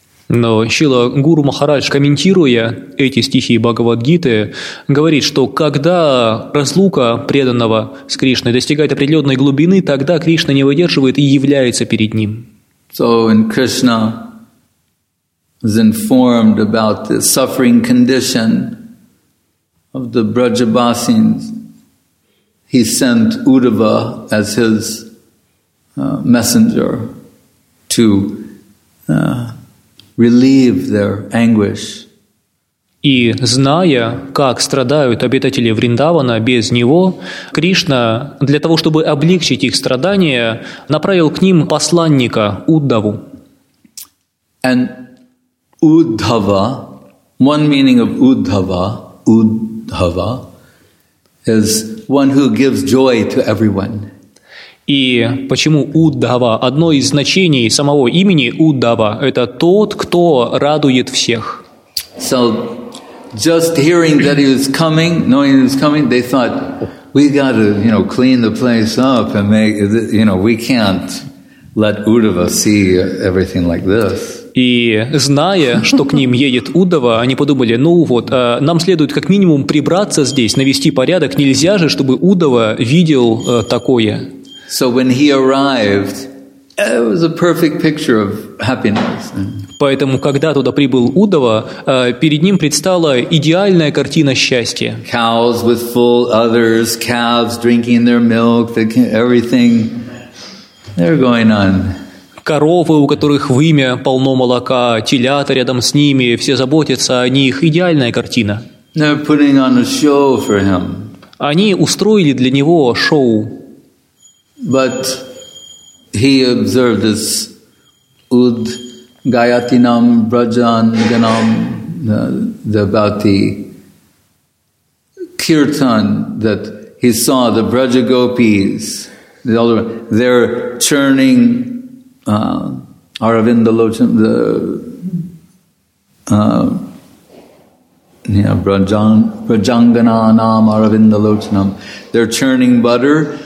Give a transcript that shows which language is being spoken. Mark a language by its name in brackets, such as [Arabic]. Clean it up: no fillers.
[Russian] Но Шрила Гуру Махарадж, комментируя эти стихи Бхагавад-гиты, говорит, что когда разлука преданного с Кришной достигает определенной глубины, тогда Кришна не выдерживает и является перед ним. [English] So, and Krishna is informed about the suffering condition of the Brajabasins. He sent Uddhava as his messenger to relieve their anguish. [Russian] И зная, как страдают обитатели Вриндавана без него, Кришна для того, чтобы облегчить их страдания, направил к ним посланника Уддаву. [English] And Uddhava, one meaning of Uddhava, Uddhava is one who gives joy to everyone. [Russian] И почему Уддава? Одно из значений самого имени Уддава – это тот, кто радует всех. [English] So, just hearing that he was coming, knowing he was coming, they thought, we got to, you know, clean the place up and make, you know, we can't let Uddava see everything like this. [Russian] И зная, что к ним едет Уддава, они подумали, ну вот, нам следует как минимум прибраться здесь, навести порядок, нельзя же, чтобы Уддава видел такое. [English] So when he arrived, it was a perfect picture of happiness. [Russian] Поэтому, когда туда прибыл Уддава, перед ним предстала идеальная картина счастья. [English] Cows with full udders, calves drinking their milk, everything. They're going on. [Russian] Коровы, у которых вымя полно молока, телята рядом с ними, все заботятся о них. Идеальная картина. [English] They're putting on a show for him. [Russian] Они устроили для него шоу. [English] But he observed this [Sanskrit] ud gayatinam brajan ganam [English] about the kirtan that he saw the brajagopis, the elder, they're churning Aravinda Lochan, the brajanganam Aravinda Lochanam, they're churning butter.